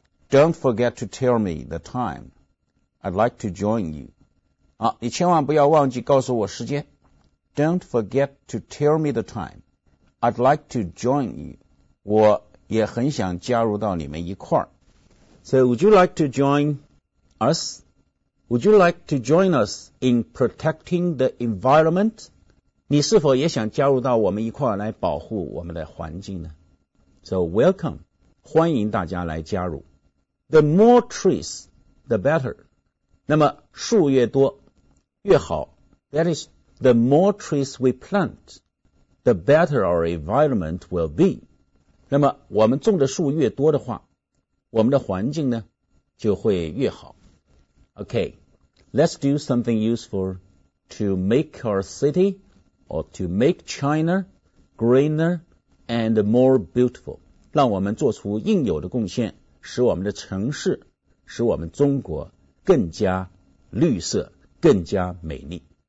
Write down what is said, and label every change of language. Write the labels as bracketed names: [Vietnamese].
[English] Don't forget to tell me the time. I'd like to join you. [Chinese] 你千万不要忘记告诉我时间。 [English] Don't forget to tell me the time. I'd like to join you. [Chinese] 我也很想加入到你们一块儿。 [English] So would you like to join us? Would you like to join us in protecting the environment? [Chinese] 你是否也想加入到我们一块来保护我们的环境呢？ [English] So welcome, [Chinese] 欢迎大家来加入。 [English] The more trees, the better. [Chinese] 那么树越多越好。 [English] That is, the more trees we plant, the better our environment will be. [Chinese] 那么我们种的树越多的话，我们的环境呢就会越好。 [English] Okay, let's do something useful to make our city or to make China greener and more beautiful. [Chinese] 让我们做出应有的贡献，使我们的城市，使我们中国更加绿色，更加美丽。